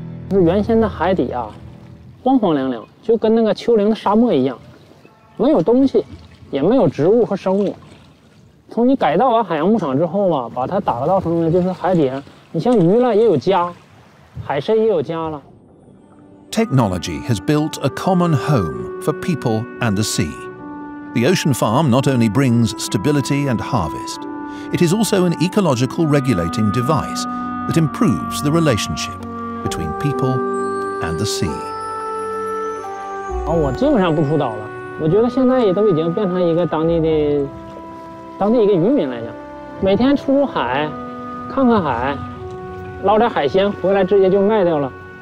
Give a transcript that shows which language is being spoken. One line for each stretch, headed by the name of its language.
Chinese: 是原先的海底啊，荒荒凉凉，就跟那个丘陵的沙漠一样，没有东西，也没有植物和生物。从你改造完海洋牧场之后吧，把它打造成了就是海底，你像鱼了也有家，海参也有家了。
English: Technology has built a common home for people and the sea. The ocean farm not only brings stability and harvest, it is also an ecological regulating device that improves the relationship between people and the sea.
Chinese: 我基本上不出岛了，我觉得现在也都已经变成一个当地一个渔民来讲，每天出出海，看看海，捞点海鲜回来直接就卖掉了。